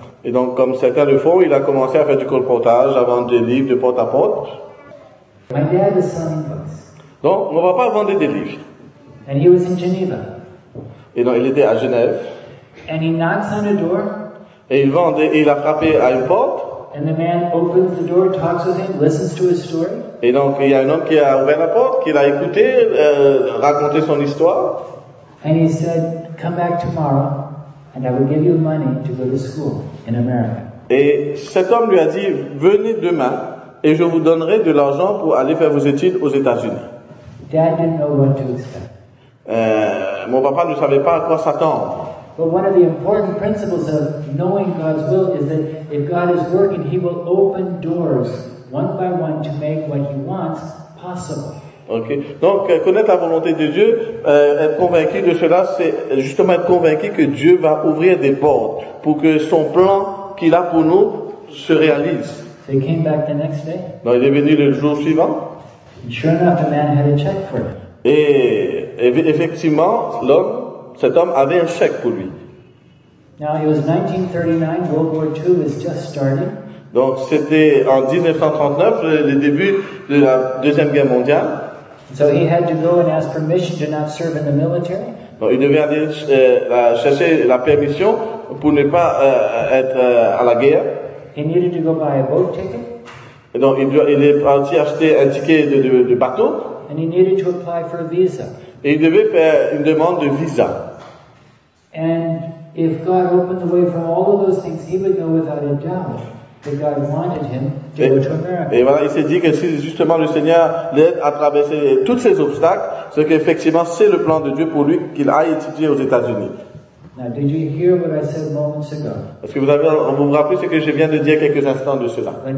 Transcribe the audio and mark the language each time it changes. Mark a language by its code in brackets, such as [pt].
[fr] Et donc, comme certains le font, il a commencé à faire du colportage, à vendre des livres de porte à porte. [en] My dad is selling books. [fr] Donc, mon papa vendait des livres. [en] And he was in Geneva. [fr] Et donc, il était à Genève. [en] And he knocks on a door. [fr] Et il vendait, et il a frappé à une porte. [en] And the man opens the door, talks with him, listens to his story. [fr] Et donc, il y a un homme qui a ouvert la porte, qui l'a écouté, raconter son histoire. [en] And he said, come back tomorrow, and I will give you money to go to school in America. [fr] Et cet homme lui a dit, venez demain, et je vous donnerai de l'argent pour aller faire vos études aux États-Unis. [en] Dad didn't know what to expect. [fr] Mon papa ne savait pas à quoi s'attendre. [en] But one of the important principles of knowing God's will is that if God is working, He will open doors one by one to make what he wants possible. Ok. [fr] Donc connaître la volonté de Dieu, être convaincu de cela, c'est justement être convaincu que Dieu va ouvrir des portes pour que son plan qu'il a pour nous se réalise. [en] So he came back the next day. [fr] Donc il est venu le jour suivant. [en] Sure enough, the man had a check for it. [fr] Et effectivement, l'homme, cet homme avait un chèque pour lui. [en] Now it was 1939. World War II was just starting. [fr] Donc c'était en 1939, le début de la Deuxième Guerre mondiale. [en] So he had to go and ask permission to not serve in the military. [fr] Donc il devait aller chercher la permission pour ne pas être à la guerre. [en] He needed to go buy a boat ticket. [fr] Et donc il est parti acheter un ticket de bateau. [en] And he needed to apply for a visa. [fr] Et il devait faire une demande de visa. [en] And if God opened the way for all of those things, he would go without a doubt. [fr] Et voilà, il s'est dit que si justement le Seigneur l'aide à traverser tous ces obstacles, c'est qu'effectivement c'est le plan de Dieu pour lui qu'il aille étudier aux États-Unis. Est-ce que vous rappelez ce que je viens de dire quelques instants de cela?